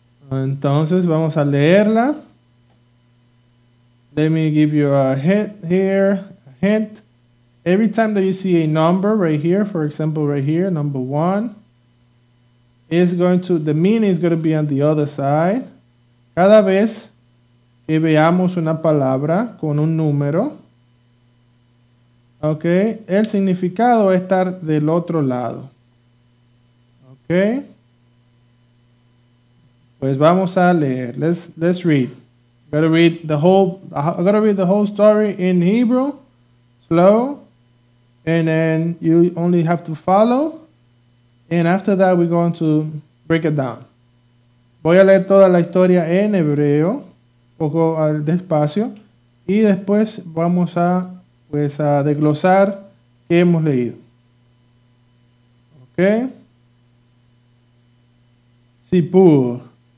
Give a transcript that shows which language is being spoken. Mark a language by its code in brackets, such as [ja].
[es] Entonces, vamos a leerla. [en] Let me give you a hint here, a hint. Every time that you see a number right here, for example, right here, number one, the meaning is going to be on the other side. [es] Cada vez que veamos una palabra con un número, okay, el significado va a estar del otro lado. [en] Okay. [es] Pues vamos a leer. [en] Let's read. I gotta read the whole story in Hebrew, slow, and then you only have to follow. And after that, we're going to break it down. [es] Voy a leer toda la historia en hebreo, un poco despacio, y después vamos a, pues, a desglosar qué hemos leído. [en] Okay. [he] Sipur.